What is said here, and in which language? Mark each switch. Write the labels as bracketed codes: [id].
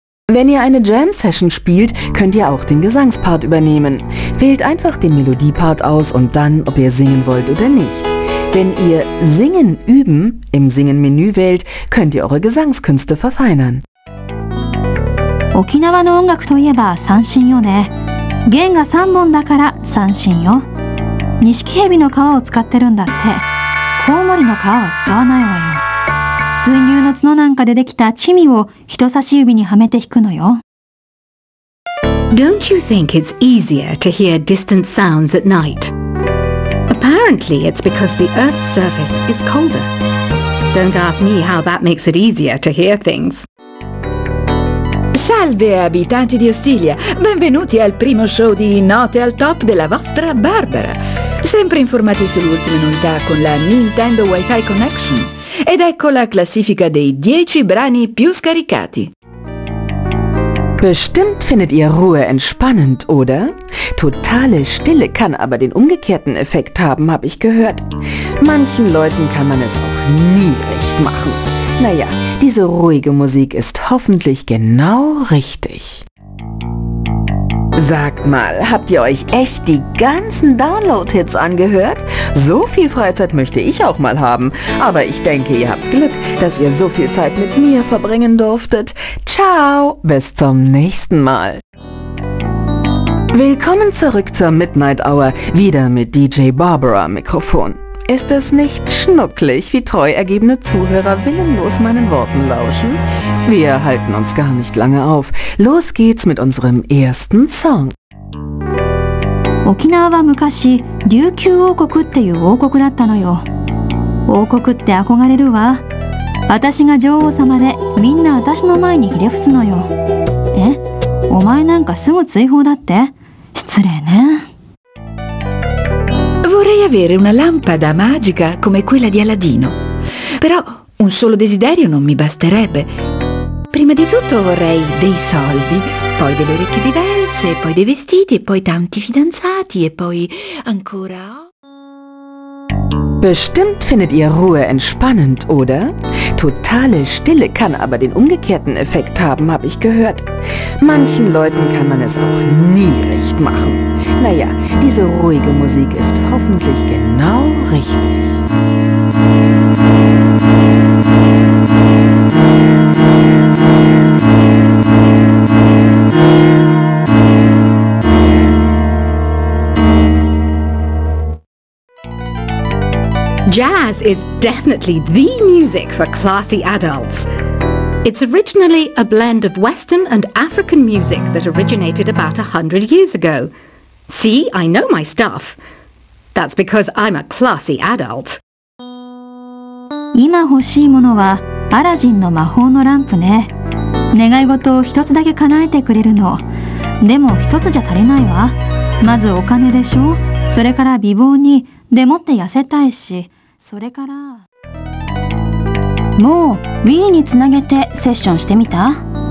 [de] Wenn ihr eine Jam Session spielt, könnt ihr auch den Gesangspart übernehmen. Wählt einfach den Melodiepart aus und dann, ob ihr singen wollt oder nicht. Wenn ihr Singen üben im Singen-Menü wählt, könnt ihr eure Gesangskünste verfeinern. [ja] 沖縄の音楽といえば三線よね。弦が三本だから三線よ。ニシキヘビの皮を使ってるんだって。コウモリの皮は使わないわよ。水牛の角なんかでできたチミを人差し指にはめて弾くのよ。 [en] Don't you think it's easier to hear distant sounds at night? Apparently, it's because the Earth's surface is colder. Don't ask me how that makes it easier to hear things. [it] Salve abitanti di Ostiglia, benvenuti al primo show di Note al Top della vostra Barbara. Sempre informati sull'ultima novità con la Nintendo Wi-Fi Connection. Ed ecco la classifica dei 10 brani più scaricati. [de] Bestimmt findet ihr Ruhe entspannend, oder? Totale Stille kann aber den umgekehrten Effekt haben, habe ich gehört. Manchen Leuten kann man es auch nie recht machen. Naja, diese ruhige Musik ist hoffentlich genau richtig. Sagt mal, habt ihr euch echt die ganzen Download-Hits angehört? So viel Freizeit möchte ich auch mal haben. Aber ich denke, ihr habt Glück, dass ihr so viel Zeit mit mir verbringen durftet. Ciao, bis zum nächsten Mal. Willkommen zurück zur Midnight Hour, wieder mit DJ Barbara Mikrofon. Ist es nicht schnucklig, wie treu ergebene Zuhörer willenlos meinen Worten lauschen? Wir halten uns gar nicht lange auf. Los geht's mit unserem ersten Song. [ja] 沖縄は昔、琉球王国っていう王国だったのよ。王国って憧れるわ。私が女王様で、みんな私の前にひれ伏すのよ。え？お前なんかすぐ追放だって？失礼ね。 [it] Vorrei avere una lampada magica come quella di Aladino. Però un solo desiderio non mi basterebbe. Prima di tutto vorrei dei soldi, poi delle orecchie diverse, poi dei vestiti e poi tanti fidanzati e poi ancora... [de] Bestimmt findet ihr Ruhe entspannend, oder? Totale Stille kann aber den umgekehrten Effekt haben, habe ich gehört. Manchen Leuten kann man es auch nie recht machen. Naja, diese ruhige Musik ist hoffentlich genau richtig. [en] Jazz is definitely the music for classy adults. It's originally a blend of Western and African music that originated about 100 years ago. See, I know my stuff. That's because I'm a classy adult. [ja] 今欲しいものはアラジンの魔法のランプね。願い事を一つだけ叶えてくれるの。でも一つじゃ足りないわ。まずお金でしょ。それから美貌に。でもって痩せたいし。それから…もう Wii につなげてセッションしてみた？